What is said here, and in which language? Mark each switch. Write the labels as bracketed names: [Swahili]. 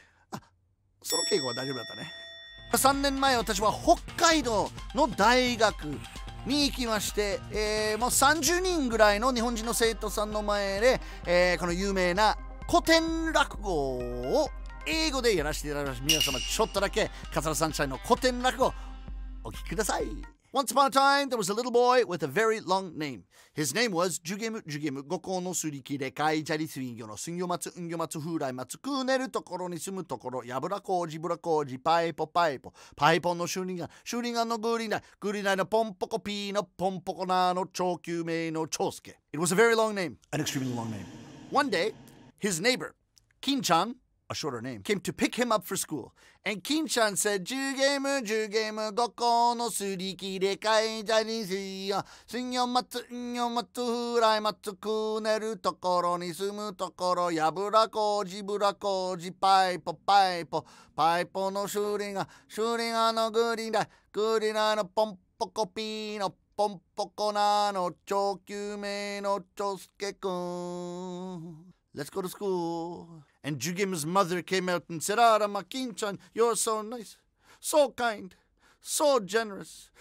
[Japanese] あその敬語は大丈夫だったね。3年前私は北海道の大学に行きまして、もう30人ぐらいの日本人の生徒さんの前で、この有名な古典落語を英語でやらせていただきます。皆様ちょっとだけ桂三斎の古典落語お聞きください。 [English] Once upon a time there was a little boy with a very long name. His name was ジュゲムジュゲム、五行のすりきれかいじゃりすんぎょのすんぎょまつうんぎょまつふうらいまつくねるところにすむところ、やぶらこうじぶらこうじパイポパイポパイポンのシュリンガンシュリンガンのグリナイグリナイのポンポコピーのポンポコナーの超救命の長介。 It was a very long name, an extremely long name. One day his neighbor Kin ちゃん、a shorter name, came to pick him up for school. And Kin-chan said, ジューゲーム、ジューゲーム、どこのすり切れかいじゃりんすよ。 [Japanese] すんよまつ、んよまつ、ふらいまつくねるところに住むところ、やぶらこうじ、ぶらこうじ、パイポ、パイポ、パイポのシュリンガ、シュリンガのグリンダ、グリンダのポンポコピーのポンポコナーの超救命のチョスケくん。 [English] Let's go to school. And Jugim's mother came out and said, Arama Kin-chan, you're so nice, so kind, so generous.